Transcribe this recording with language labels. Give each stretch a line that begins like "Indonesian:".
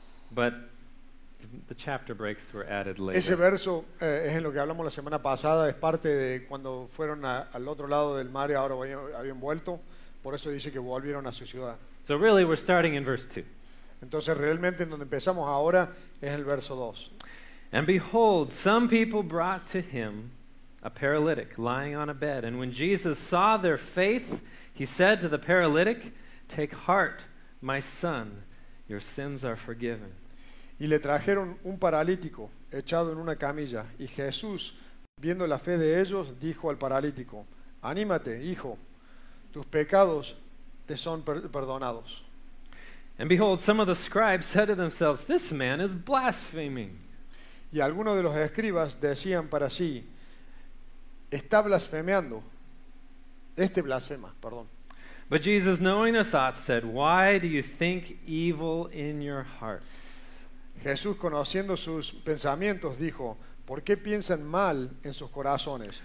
English: But the chapter breaks were added later.
Spanish: Ese verso es en lo que hablamos la semana pasada, es parte de cuando fueron al otro lado del mar y ahora habían vuelto. Por eso dice que volvieron a su ciudad.
English: So really we're starting in verse 2.
Spanish: Entonces realmente en donde empezamos ahora es el verso 2.
English: And behold, some people brought to him a paralytic lying on a bed. And when Jesus saw their faith, he said to the paralytic, "Take heart, my son, your sins are forgiven."
Spanish: Y le trajeron un paralítico echado en una camilla. Y Jesús, viendo la fe de ellos, dijo al paralítico, "Anímate, hijo, tus pecados te son perdonados."
English: And behold, some of the scribes said to themselves, "This man is blaspheming."
Spanish: Y algunos de los escribas decían para sí, "Está blasfemeando." Este blasfema, perdón.
English: But Jesus, knowing their thoughts, said, "Why do you think evil in your hearts?"
Spanish: Jesús, conociendo sus pensamientos, dijo, "¿Por qué piensan mal en sus corazones?"